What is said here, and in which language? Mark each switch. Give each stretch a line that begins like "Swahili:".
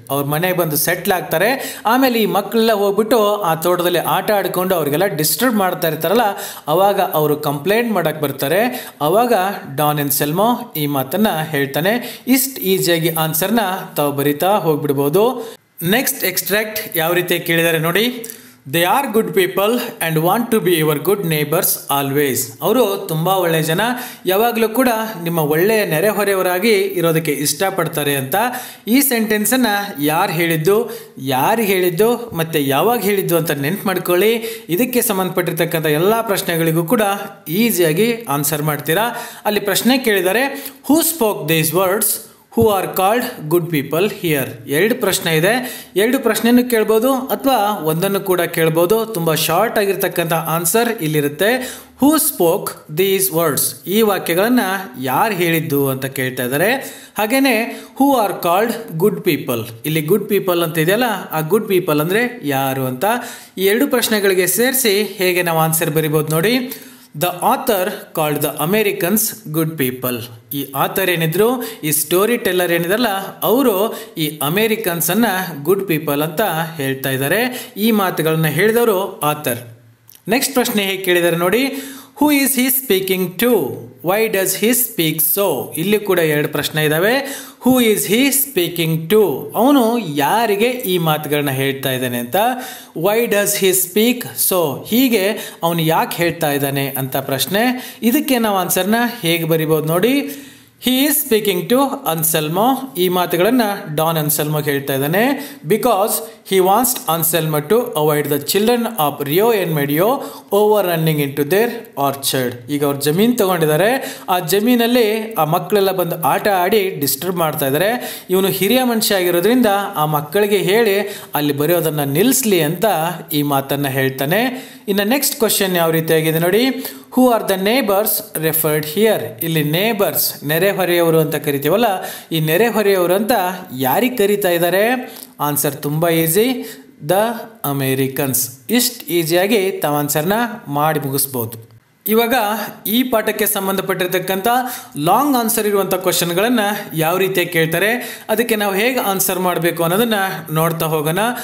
Kannada: ಅವ್ರ ಮನೆಗೆ ಬಂದು ಸೆಟ್ಲ್ ಆಗ್ತಾರೆ, ಆಮೇಲೆ ಈ ಮಕ್ಕಳೆಲ್ಲ ಹೋಗ್ಬಿಟ್ಟು ಆ ತೋಟದಲ್ಲಿ ಆಟ ಆಡಿಕೊಂಡು ಅವರಿಗೆಲ್ಲ ಡಿಸ್ಟರ್ಬ್ ಮಾಡ್ತಾ ಇರ್ತಾರಲ್ಲ, ಅವಾಗ ಅವರು ಕಂಪ್ಲೇಂಟ್ ಮಾಡೋಕ್ಕೆ ಬರ್ತಾರೆ. ಅವಾಗ ಡಾನ್ ಅನ್ಸೆಲ್ಮೋ ಈ ಮಾತನ್ನು ಹೇಳ್ತಾನೆ. ಇಷ್ಟು ಈಸಿಯಾಗಿ ಆನ್ಸರ್ನ ತಾವು ಬರೀತಾ ಹೋಗ್ಬಿಡ್ಬೋದು. ನೆಕ್ಸ್ಟ್ ಎಕ್ಸ್ಟ್ರಾಕ್ಟ್ ಯಾವ ರೀತಿ ಕೇಳಿದ್ದಾರೆ ನೋಡಿ.
English: They are good people and want to be your good neighbors always.
Kannada: ಅವರು ತುಂಬ ಒಳ್ಳೆಯ ಜನ, ಯಾವಾಗಲೂ ಕೂಡ ನಿಮ್ಮ ಒಳ್ಳೆಯ ನೆರೆಹೊರೆಯವರಾಗಿ ಇರೋದಕ್ಕೆ ಇಷ್ಟಪಡ್ತಾರೆ ಅಂತ. ಈ ಸೆಂಟೆನ್ಸನ್ನು ಯಾರು ಹೇಳಿದ್ದು, ಯಾರು ಹೇಳಿದ್ದು, ಮತ್ತು ಯಾವಾಗ ಹೇಳಿದ್ದು ಅಂತ ನೆನ್ಪು ಮಾಡ್ಕೊಳ್ಳಿ. ಇದಕ್ಕೆ ಸಂಬಂಧಪಟ್ಟಿರ್ತಕ್ಕಂಥ ಎಲ್ಲ ಪ್ರಶ್ನೆಗಳಿಗೂ ಕೂಡ ಈಸಿಯಾಗಿ ಆನ್ಸರ್ ಮಾಡ್ತೀರಾ. ಅಲ್ಲಿ ಪ್ರಶ್ನೆ ಕೇಳಿದ್ದಾರೆ,
English: Who spoke these words Who are called good people here?
Kannada: ಎರಡು ಪ್ರಶ್ನೆ ಇದೆ, ಎರಡು ಪ್ರಶ್ನೆಯನ್ನು ಕೇಳ್ಬೋದು ಅಥವಾ ಒಂದನ್ನು ಕೂಡ ಕೇಳ್ಬೋದು. ತುಂಬ ಶಾರ್ಟ್ ಆಗಿರ್ತಕ್ಕಂಥ answer ಇಲ್ಲಿರುತ್ತೆ.
English: Who spoke these words?
Kannada: ಈ ವಾಕ್ಯಗಳನ್ನು ಯಾರು ಹೇಳಿದ್ದು ಅಂತ ಕೇಳ್ತಾ ಇದ್ದಾರೆ. ಹಾಗೆಯೇ
English: who are called good people,
Kannada: ಇಲ್ಲಿ ಗುಡ್ ಪೀಪಲ್ ಅಂತ ಇದೆಯಲ್ಲ, ಆ ಗುಡ್ ಪೀಪಲ್ ಅಂದರೆ ಯಾರು ಅಂತ. ಈ ಎರಡು ಪ್ರಶ್ನೆಗಳಿಗೆ ಸೇರಿಸಿ ಹೇಗೆ ನಾವು ಆನ್ಸರ್ ಬರಿಬೋದು ನೋಡಿ.
English: The author called the Americans good people.
Kannada: ಈ ಆಥರ್ ಏನಿದ್ರು, ಈ ಸ್ಟೋರಿ ಟೆಲ್ಲರ್ ಏನಿದ್ರಲ್ಲ, ಅವರು ಈ ಅಮೇರಿಕನ್ಸನ್ನು ಗುಡ್ ಪೀಪಲ್ ಅಂತ ಹೇಳ್ತಾ ಇದ್ದಾರೆ. ಈ ಮಾತುಗಳನ್ನು ಹೇಳಿದವರು ಆಥರ್. ನೆಕ್ಸ್ಟ್ ಪ್ರಶ್ನೆ ಹೇಗೆ ಕೇಳಿದ್ದಾರೆ ನೋಡಿ.
English: Who is he speaking to? Why does he speak so?
Kannada: ಇಲ್ಲಿ ಕೂಡ ಎರಡು ಪ್ರಶ್ನೆ ಇದ್ದಾವೆ.
English: Who is he speaking to?
Kannada: ಅವನು ಯಾರಿಗೆ ಈ ಮಾತುಗಳನ್ನ ಹೇಳ್ತಾ ಇದ್ದಾನೆ ಅಂತ.
English: Why does he speak so?
Kannada: ಹೀಗೆ ಅವನು ಯಾಕೆ ಹೇಳ್ತಾ ಇದ್ದಾನೆ ಅಂತ ಪ್ರಶ್ನೆ. ಇದಕ್ಕೆ ನಾವು ಆನ್ಸರ್ನ ಹೇಗೆ ಬರಿಬೋದು ನೋಡಿ.
English: He is speaking to Anselmo.
Kannada: ಈ ಮಾತುಗಳನ್ನು ಡಾನ್ ಅನ್ಸೆಲ್ಮೋ ಹೇಳ್ತಾ ಇದ್ದಾನೆ.
English: Because he wants Anselmo to avoid the children of Rio en Medio over running into their orchard.
Kannada: ಈಗ ಅವ್ರು ಜಮೀನ್ ತೊಗೊಂಡಿದ್ದಾರೆ, ಆ ಜಮೀನಲ್ಲಿ ಆ ಮಕ್ಕಳೆಲ್ಲ ಬಂದು ಆಟ ಆಡಿ ಡಿಸ್ಟರ್ಬ್ ಮಾಡ್ತಾ ಇದ್ದಾರೆ. ಇವನು ಹಿರಿಯ ಮನುಷ್ಯ ಆಗಿರೋದ್ರಿಂದ ಆ ಮಕ್ಕಳಿಗೆ ಹೇಳಿ ಅಲ್ಲಿ ಬರೆಯೋದನ್ನು ನಿಲ್ಲಿಸಲಿ ಅಂತ ಈ ಮಾತನ್ನು ಹೇಳ್ತಾನೆ. ಇನ್ನು ನೆಕ್ಸ್ಟ್ ಕ್ವಶನ್ ಯಾವ ರೀತಿಯಾಗಿದೆ ನೋಡಿ.
English: who are the neighbors referred here?
Kannada: ಇಲ್ಲಿ neighbors ನೆರೆಹೊರೆಯವರು ಅಂತ ಕರಿತೀವಲ್ಲ, ಈ ನೆರೆಹೊರೆಯವರು ಅಂತ ಯಾರಿಗೆ ಕರಿತಾ ಇದ್ದಾರೆ? ಆನ್ಸರ್ ತುಂಬ ಈಸಿ, ದ ಅಮೇರಿಕನ್ಸ್. ಇಷ್ಟು ಈಸಿಯಾಗಿ ತಮ್ಮ ಆನ್ಸರ್ನ ಮಾಡಿ ಮುಗಿಸ್ಬೋದು. ಇವಾಗ ಈ ಪಾಠಕ್ಕೆ ಸಂಬಂಧಪಟ್ಟಿರತಕ್ಕಂಥ ಲಾಂಗ್ ಆನ್ಸರ್ ಇರುವಂಥ ಕ್ವಶನ್ಗಳನ್ನು ಯಾವ ರೀತಿಯಾಗಿ ಕೇಳ್ತಾರೆ, ಅದಕ್ಕೆ ನಾವು ಹೇಗೆ ಆನ್ಸರ್ ಮಾಡಬೇಕು ಅನ್ನೋದನ್ನು ನೋಡ್ತಾ ಹೋಗೋಣ.